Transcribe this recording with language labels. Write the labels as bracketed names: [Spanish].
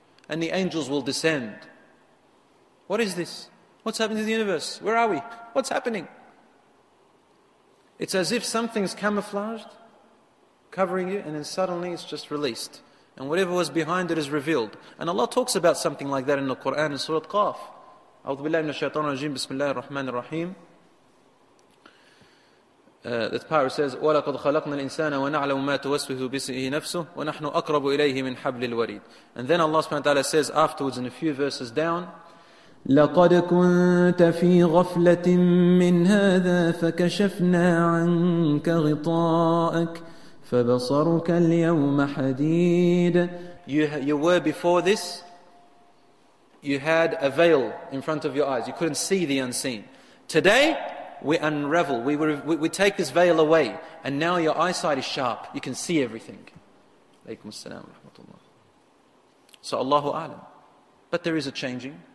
[English] And the angels will descend. What is this? What's happening to the universe? Where are we? What's happening? It's as if something's camouflaged, covering you, and then suddenly it's just released. And whatever was behind it is revealed. And Allah talks about something like that in the Quran, in Surah Qaf. [Arabic] أعوذ بالله من الشيطان الرجيم بسم الله الرحمن الرحيم. [English] That part says, [Arabic] وَلَقَدْ خَلَقْنَا الْإِنسَانَ وَنَعْلَمُ مَا تُوَسْوِهُ بِسِهِ نَفْسُهُ وَنَحْنُ أَقْرَبُ إِلَيْهِ مِنْ حَبْلِ الْوَرِيدِ. [English] And then Allah subhanahu wa ta'ala says afterwards in a few verses down, [Arabic] لقد كنت في غفلة من هذا فكشفنا عنك غطاءك فبصرك اليوم حديد. [English] You were before this, you had a veil in front of your eyes. You couldn't see the unseen. Today, we unravel. We take this veil away. And now your eyesight is sharp. You can see everything. [Arabic] Alaykum as-salam wa rahmatullah. [English] So [Arabic] Allahu a'lam. [English] But there is a changing.